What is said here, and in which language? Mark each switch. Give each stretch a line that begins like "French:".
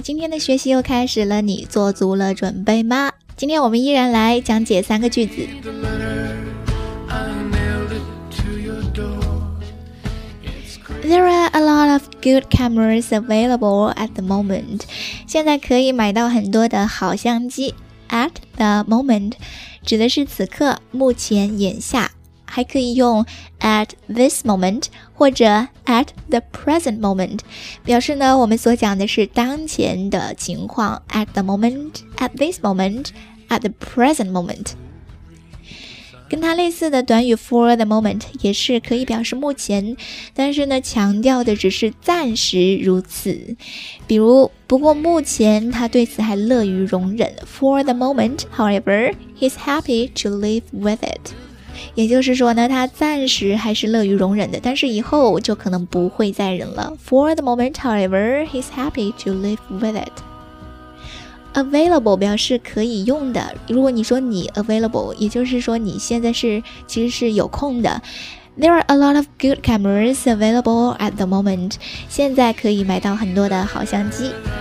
Chinese: 今天的学习又开始了，你做足了准备吗？今天我们依然来讲解三个句子。
English: There are a lot of good cameras available at the moment.
Chinese: 现在可以买到很多的好相机。
English: At the moment
Chinese: 指的是此刻，目前，眼下。还可以用
English: at this moment
Chinese: 或者
English: at the present moment
Chinese: 表示呢，我们所讲的是当前的情况。
English: at the moment, at this moment, at the present moment。
Chinese: 跟它类似的短语
English: for the moment
Chinese: 也是可以表示目前，但是呢，强调的只是暂时如此。比如，不过目前他对此还乐于容忍。
English: For the moment, however, he's happy to live with it。
Chinese: 也就是说呢，他暂时还是乐于容忍的，但是以后就可能不会再忍了。
English: For the moment, however, he's happy to live with it.
Chinese: Available 表示可以用的，如果你说你 available, 也就是说你现在是其实是有空的。
English: There are a lot of good cameras available at the moment.
Chinese: 现在可以买到很多的好相机。